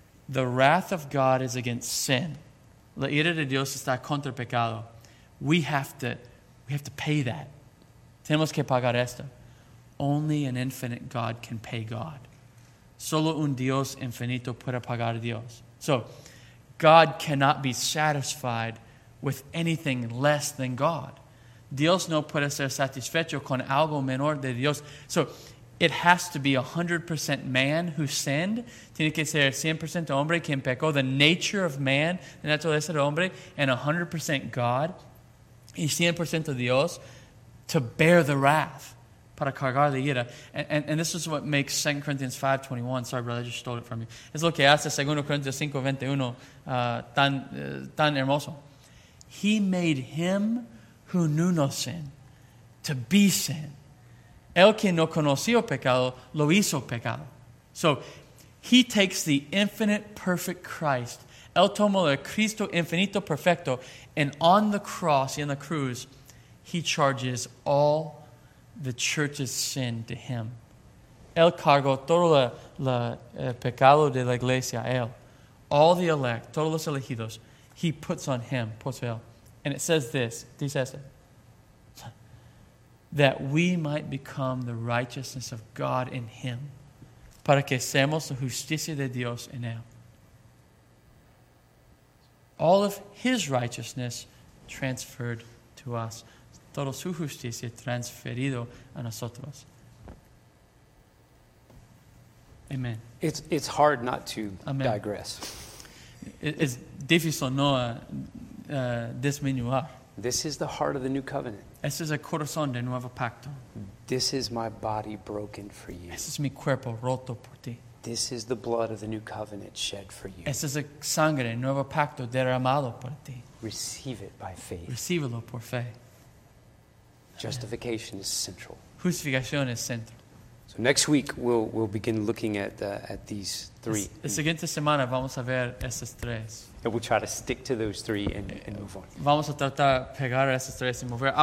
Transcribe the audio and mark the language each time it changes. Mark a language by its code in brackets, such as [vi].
[en] The wrath of God is against sin. [es] La ira de Dios está contra el pecado. [en] We have to pay that. [es] Tenemos que pagar esto. [en] Only an infinite God can pay God. [es] Solo un Dios infinito puede pagar a Dios. [en] So, God cannot be satisfied with anything less than God. [es] Dios no puede ser satisfecho con algo menor de Dios. [en] So, it has to be 100% man who sinned. [es] Tiene que ser 100% hombre quien pecó. [en] The nature of man, [es] la naturaleza del hombre, [en] and 100% God, [es] y 100% Dios, [en] to bear the wrath, [es] para cargar la ira. [en] And this is what makes 2 Corinthians 5:21. Sorry, brother, I just stole it from you. [es] Es lo que hace 2 Corinthians 5:21 tan hermoso. [en] He made him who knew no sin to be sin. [es] El que no conoció pecado, lo hizo pecado. [en] So, he takes the infinite perfect Christ. [es] El tomó el Cristo infinito perfecto. [en] And on the cross, in the cruz, he charges all the church's sin to him. [es] Él cargó todo el pecado de la iglesia, Él. [en] All the elect, [es] todos los elegidos, [en] He puts on Him, [es] puso Él. [en] And it says this, dice esto, that we might become the righteousness of God in Him, [es] para que seamos la justicia de Dios en Él. [en] All of His righteousness transferred to us. [es] Toda su justicia transferido a nosotros. [en] Amen. It's hard not to Amen. Digress. [es] It's difícil no disminuir. [en] This is the heart of the new covenant. [es] Este es el corazón de nuevo pacto. [en] This is my body broken for you. [es] Este es mi cuerpo roto por ti. [en] This is the blood of the new covenant shed for you. [es] Este es la sangre nuevo pacto derramado por ti. [en] Receive it by faith. [es] Recíbelo por fe. [en] Justification Amen. Is central. [es] Justificación es central. [en] So next week we'll begin looking at these three. [es] La siguiente semana vamos a ver estos tres. [en] And we'll try to stick to those three and move on. [es] Vamos a tratar de pegar estos tres y mover.